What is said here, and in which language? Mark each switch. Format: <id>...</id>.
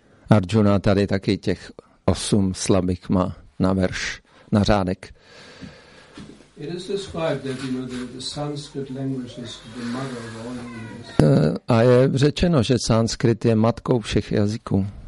<cs>Arjuna tady taky těch 8 slabik má na verš, na řádek.</cs> <en>It is described that, you know, the Sanskrit language is the mother of all languages.</en> <cs>A je řečeno, že Sanskrit je matkou všech jazyků.</cs>